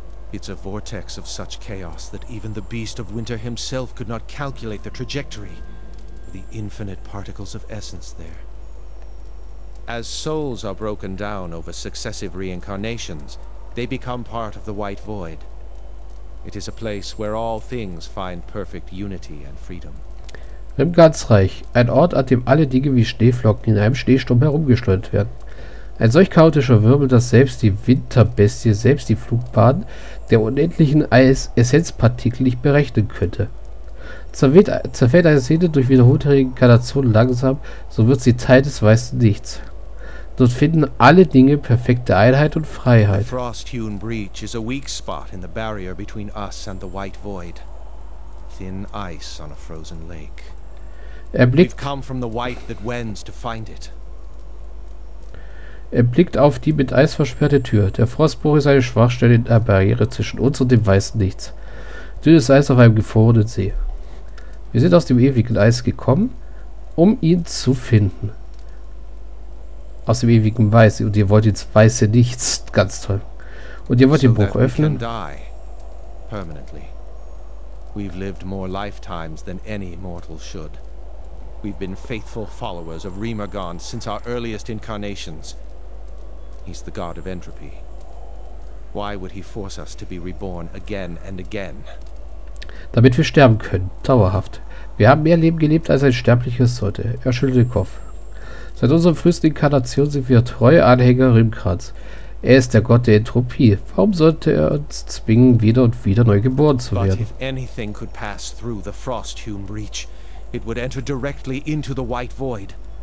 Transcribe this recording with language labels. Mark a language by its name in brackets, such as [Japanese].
[English] It's a vortex of such chaos that even the Beast of Winter himself could not calculate the trajectory. The infinite particles of essence there. As souls are broken down over successive reincarnations, they become part of the white void. It is a place where all things find perfect unity and freedom. [German] Rimgards Reich, ein Ort, an dem alle Dinge wie Schneeflocken in einem Schneesturm herumgeschleudert werden. Ein solch chaotischer Wirbel, dass selbst die Winterbestie, selbst die Flugbahn der unendlichen Essenzpartikel nicht berechnen könnte. Zerfällt eine Seele durch wiederholte Reinkarnation langsam, so wird sie Teil des weißen Nichts. Dort finden alle Dinge perfekte Einheit und Freiheit. [English] The Frosthewn Breach is a weak spot in the barrier between us and the White Void. Thin ice on a frozen lake. [German] Er blickt auf die mit Eis versperrte Tür. Der Frostbruch ist eine Schwachstelle in der Barriere zwischen uns und dem weißen Nichts. Dünnes Eis auf einem gefrorenen See. Wir sind aus dem ewigen Eis gekommen, um ihn zu finden. Aus dem ewigen Weiß. Und ihr wollt jetzt weiße Nichts. Ganz toll. Und ihr wollt den Bruch öffnen. Permanently. [English] We've lived more lifetimes than any mortal should. We've been faithful followers of Remagon since our earliest incarnations. He's the god of entropy. Why would he force us to be reborn again and again? [German] Damit wir sterben können, dauerhaft. Wir haben mehr Leben gelebt, als ein Sterbliches sollte. Er schüttelt den Kopf. Seit unserer frühesten Inkarnation sind wir treue Anhänger Rimkrans. Er ist der Gott der Entropie. Warum sollte er uns zwingen, wieder und wieder neu geboren zu werden? [English] But if anything could pass through the Frosthume Breach, it would enter directly into the White Void.